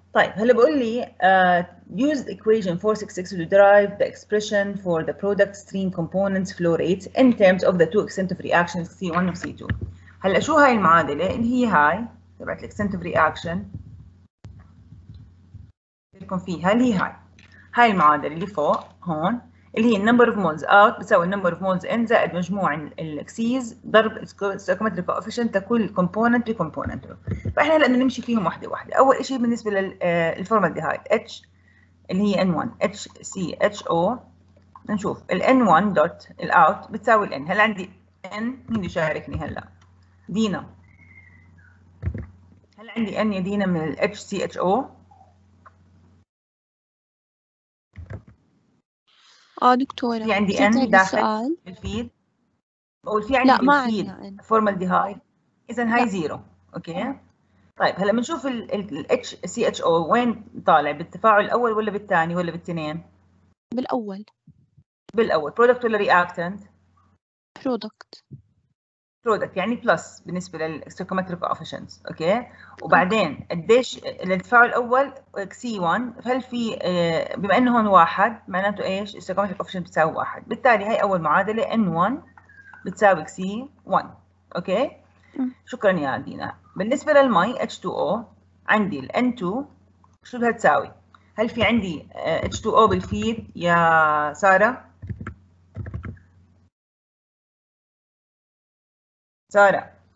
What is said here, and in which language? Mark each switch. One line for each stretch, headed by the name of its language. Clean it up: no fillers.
Arabic: طيب هلا بقول لي
English: use the equation 466 to derive the expression for the product stream components flow rates in terms of the two extent of reactions C1 and C2.
Arabic: هلا شو هاي المعادلة؟ اللي هي هاي تبعت
English: extent of reaction
Arabic: بيكون فيها اللي هي هاي المعادلة اللي فوق هون اللي هي
English: number of moles out
Arabic: بتساوي
English: number of moles in
Arabic: زائد مجموع الاكسيز ضرب stoichiometric coefficient لكل component ب component. فاحنا هلا بدنا نمشي فيهم واحدة واحدة. أول شيء بالنسبة للفورمالديهايد H اللي هي N1 HCHO نشوف ال N1 dot ال out بتساوي ال N. هلا عندي N، مين يشاركني هلا؟ دينا، هلا عندي N يا دينا من ال HCHO؟ دكتورة في عندي N داخل الفيد، بقول في عندي الفيد فورمال دي هاي، إذا هاي زيرو. أوكي طيب هلا بنشوف ال HCHO وين طالع، بالتفاعل الأول ولا بالثاني ولا بالتنين؟ بالأول. بالأول product ولا reactant؟
English: product. product
Arabic: يعني
English: plus
Arabic: بالنسبة لل
English: stoichiometric coefficients.
Arabic: أوكي وبعدين قديش التفاعل الأول C1، هل في بما أنه هون واحد معناته إيش؟ stoichiometric coefficient بتساوي واحد، بالتالي هاي أول معادلة N1 بتساوي C1. أوكي شكرا يا دينا. بالنسبة للمي H2O عندي ال N2 شو بدها تساوي؟ هل في عندي H2O بالفيد يا سارة؟ سارة